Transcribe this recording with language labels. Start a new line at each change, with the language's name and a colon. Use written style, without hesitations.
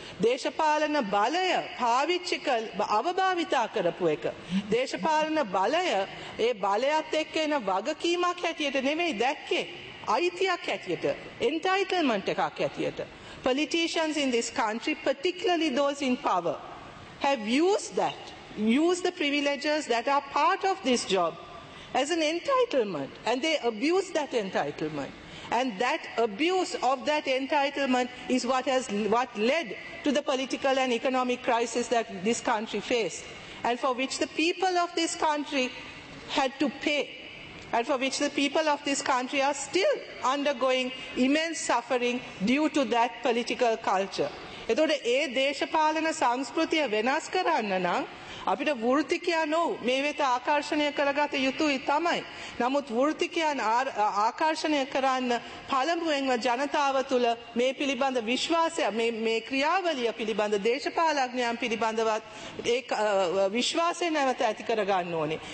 Sinhala: දේශපාලන බලය පාවිච්චි කළ අවභාවිතා කරපු එක. දේශපාලන බලය ඒ බලයත් එක්ක එන වගකීමක් හැටියට නෙමෙයි දැක්කේ, අයිතියක් ඇතියට, entitlement එකක් ඇතියට.
English: Politicians in this country, particularly those in power, have used the privileges that are part of this job as an entitlement, and they abuse that entitlement. And that abuse of that entitlement is what led to the political and economic crisis that this country faced, and for which the people of this country had to pay. and for which the people of this country are still undergoing immense suffering due to that political culture.
Sinhala: එතකොට ඒ දේශපාලන සංස්කෘතිය වෙනස් කරන්න නම් අපිට වෘත්තිකයන් මේ වෙත ආකර්ෂණය කරගත යුතුයි තමයි. නමුත් වෘත්තිකයන් ආකර්ෂණය කරන්න පළමුවෙන්ම ජනතාව තුළ මේ පිළිබඳ විශ්වාසය මේ ක්‍රියාවලිය පිළිබඳ දේශපාලඥයන් පිළිබඳවත් ඒ විශ්වාසය නැවත ඇති කරගන්න ඕනේ.